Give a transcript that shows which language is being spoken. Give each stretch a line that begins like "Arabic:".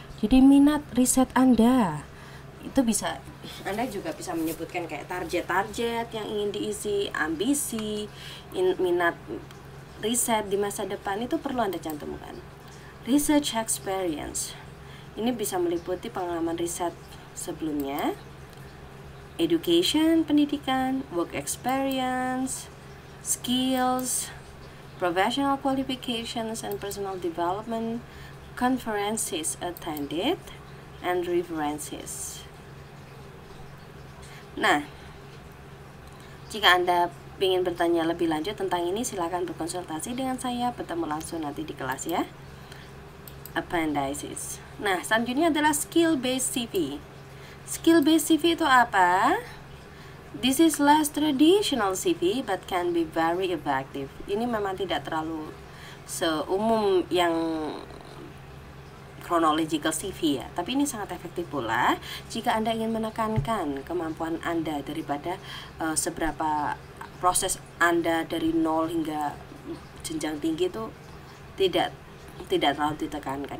Indonesian: Jadi minat riset Anda itu bisa, Anda juga bisa menyebutkan kayak target-target yang ingin diisi, ambisi, minat riset di masa depan itu perlu Anda cantumkan.
English: Research experience.
Indonesian: Ini bisa meliputi pengalaman riset sebelumnya.
English: Education, pendidikan, work experience, skills, professional qualifications and personal development. Conferences attended and references.
Indonesian: Nah, jika Anda ingin bertanya lebih lanjut tentang ini, silakan berkonsultasi dengan saya. Bertemu langsung nanti di kelas ya. Appendices. Nah, selanjutnya adalah skill-based CV. Skill-based CV itu apa?
English: This is less traditional CV, but can be very effective.
Indonesian: Ini memang tidak terlalu seumum yang chronological CV ya, tapi ini sangat efektif pula jika Anda ingin menekankan kemampuan Anda daripada seberapa proses Anda dari nol hingga jenjang tinggi itu tidak terlalu ditekankan.